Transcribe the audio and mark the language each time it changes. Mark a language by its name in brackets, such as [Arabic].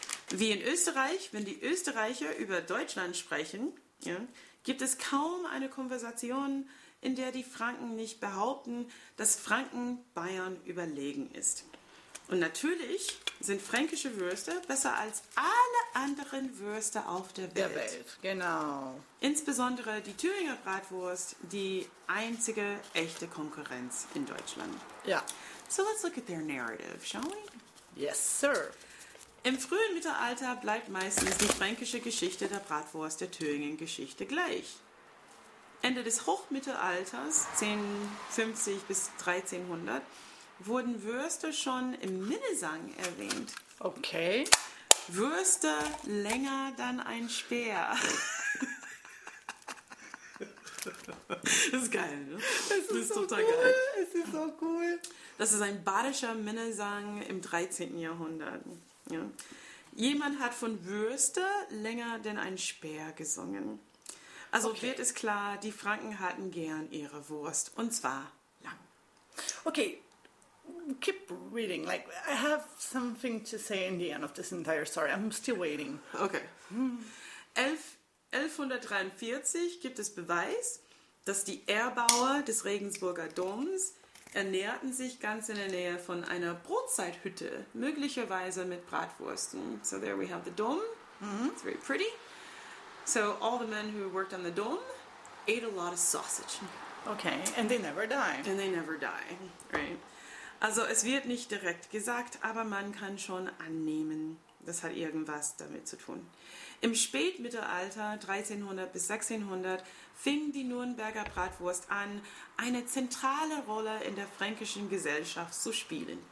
[German] Wie in Österreich, wenn die Österreicher über Deutschland sprechen, ja, gibt es kaum eine Konversation, in der die Franken nicht behaupten, dass Franken Bayern überlegen ist. Und natürlich sind fränkische Würste besser als alle anderen Würste auf der Welt. Der Welt, genau. Insbesondere die Thüringer Bratwurst, die einzige echte Konkurrenz in Deutschland. Ja. [English] So let's look at their narrative, shall we? Yes, sir. [German] Im frühen Mittelalter bleibt meistens die fränkische Geschichte der Bratwurst der Thüringer Geschichte gleich. Ende des Hochmittelalters, 1050 bis 1300, wurden Würste schon im Minnesang erwähnt. Okay. Würste länger dann ein Speer. Das ist geil, ne? Das ist total so cool. Geil. Es ist so cool. Das ist ein badischer Minnesang im 13. Jahrhundert. Ja. Jemand hat von Würste länger denn ein Speer gesungen. Also okay. wird es klar, die Franken hatten gern ihre Wurst, und zwar lang. [English] Okay, keep reading. Like, I have something to say in the end of this entire story. I'm still waiting. Okay. [German] 1143 gibt es Beweis, dass die Erbauer des Regensburger Doms ernährten sich ganz in der Nähe von einer Brotzeithütte, möglicherweise mit Bratwursten. [English] So there we have the dome. Mm-hmm. It's very pretty. So all the men who worked on the dome ate a lot of sausage. Okay, and they never die. And they never die, right? [German] Also es wird nicht direkt gesagt, aber man kann schon annehmen, das hat irgendwas damit zu tun. Im Spätmittelalter, 1300 bis 1600, fing die Nürnberger Bratwurst an, eine zentrale Rolle in der fränkischen Gesellschaft zu spielen.